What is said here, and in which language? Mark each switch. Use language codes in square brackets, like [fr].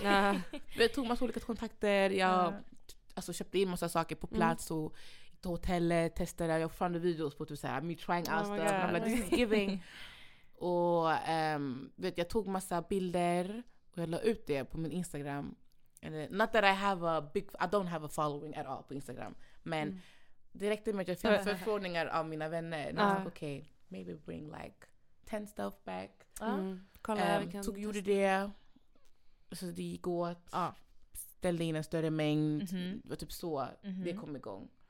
[sv] Jag tog massa olika kontakter. Jag alltså, köpte in massa saker på plats och gick till hotellet, testade. Jag fann videos på typ såhär, [en] me trying out stuff. I'm like, this is giving. [sv] Och vet, jag tog massa bilder och jag la ut det på min Instagram. [en] Not that I have a big, I don't have a following at all [sv] på Instagram. Men direkt med att jag fick förfrågningar av mina vänner. Jag tänkte, okej, [en] maybe bring like 10 stuff back. [sv] Kolla, tog gjorde det. Så det gick åt. Ställde in en större mängd. Det var typ så det kom igång.